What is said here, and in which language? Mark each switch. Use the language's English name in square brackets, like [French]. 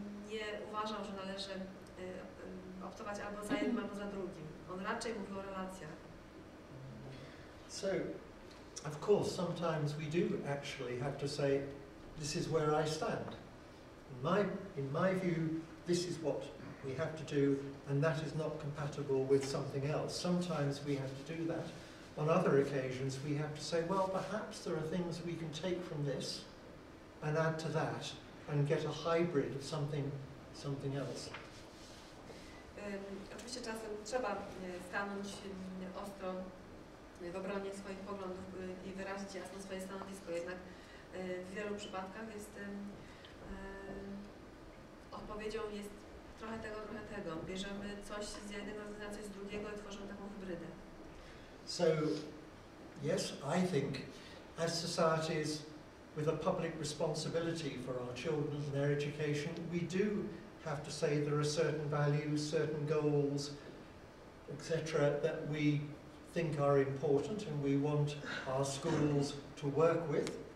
[Polish] Nie uważał, że należy optować albo za jednym, albo za drugim. On raczej mówił o relacjach. [English] So, of course, sometimes we do actually have to say, this is where I stand. In my view, this is what we have to do, and that is not compatible with something else. Sometimes we have to do that. On other occasions, we have to say, well, perhaps there are things we can take from this and add to that and get a hybrid of something else. [Polish] Oczywiście czasem trzeba stanąć ostro w obronie swoich poglądów i wyrazić jasno swoje stanowisko, jednak w wielu przypadkach jestem odpowiedzią jest trochę tego, bierzemy coś z jednego rodzaju, coś z drugiego i tworzymy taką hybrydę. [English] So, yes, I think as societies with a public responsibility for our children and their education, we do have to say there are certain values, certain goals, etc., that we think are important and we want our schools to work with.